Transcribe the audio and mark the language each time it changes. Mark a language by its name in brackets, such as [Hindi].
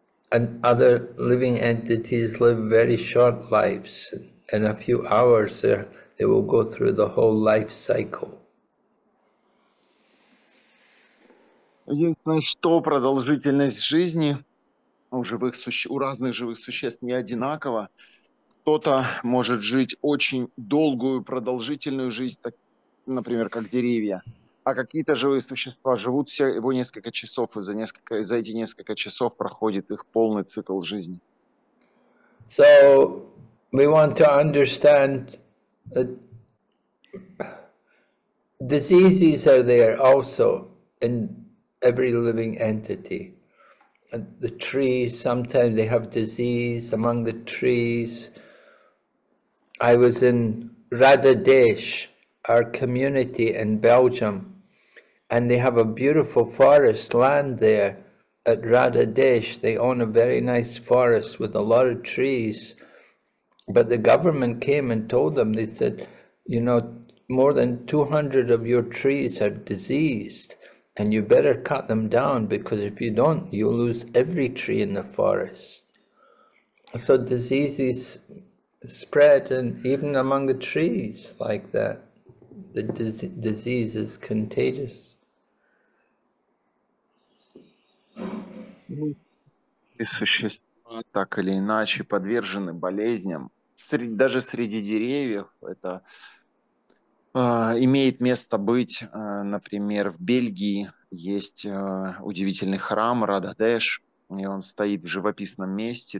[English] And other living entities live very short lives. In a few hours, they will go through the whole life cycle. [Russian] Единственное, что продолжительность жизни у разных живых существ не одинакова. Кто-то может жить очень долгую продолжительную жизнь, так, например, как деревья. А какие-то живые существа живут всего несколько часов, и за эти несколько часов проходит их полный цикл жизни. [English] So we want to understand that diseases are there also in every living entity. And the trees, sometimes they have disease among the trees. I was in Radadesh, our community in Belgium. And they have a beautiful forest land there at Radadesh. They own a very nice forest with a lot of trees. But the government came and told them, they said, you know, more than 200 of your trees are diseased and you better cut them down because if you don't, you'll lose every tree in the forest. So diseases spread and even among the trees like that, the disease is contagious. [Russian] Существа так или иначе подвержены болезням. Даже среди деревьев это имеет место быть. Например, в Бельгии есть удивительный храм Рададеш, и он стоит в живописном месте.